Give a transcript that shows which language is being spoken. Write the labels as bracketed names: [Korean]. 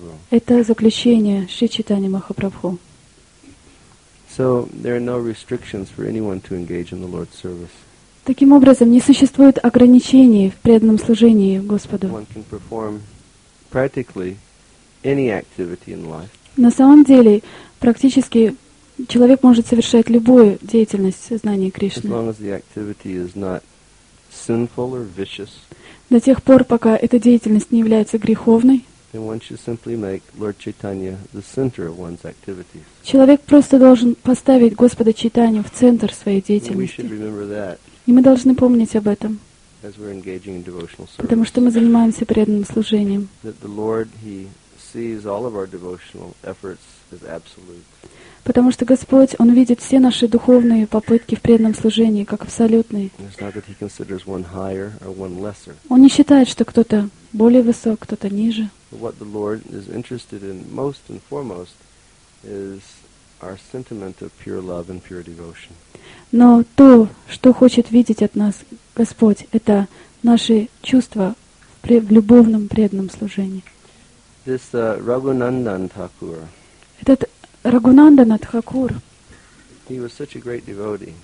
[Russian] Это заключение Шри Чайтанья Махапрабху. [English] So there are no restrictions for anyone to engage in the Lord's service. [Russian] Таким образом, не существует ограничений в преданном служении Господу. [English] One can perform practically any activity in life. [Russian] На самом деле, практически человек может совершать любую деятельность в сознании Кришны. [English] As long as the activity is not sinful or vicious. [Russian] До тех пор, пока эта деятельность не является греховной. [English] Then one should simply make Lord Chaitanya the center of one's activities. [Russian] Человек просто должен поставить Господа Чайтанью в центр своей деятельности. [English] We should remember that. [Russian] И мы должны помнить об этом. [English] As we're engaging in devotional service. [Russian] Потому что мы занимаемся преданным служением. [English] That the Lord, He sees all of our devotional efforts as absolute. [Russian] Потому что Господь, Он видит все наши духовные попытки в преданном служении как абсолютные. [English] One higher or one lesser. [Russian] Он не считает, что кто-то более высок, кто-то ниже. [English] What the Lord is interested in most and foremost is our sentiment of pure love and pure devotion. [Russian] Но то, что хочет видеть от нас Господь, это наши чувства в любовном преданном служении. [English] This Рагунандан Такур. [Russian] Этот Рагунандана Тхакур, [English] he was such a great devotee,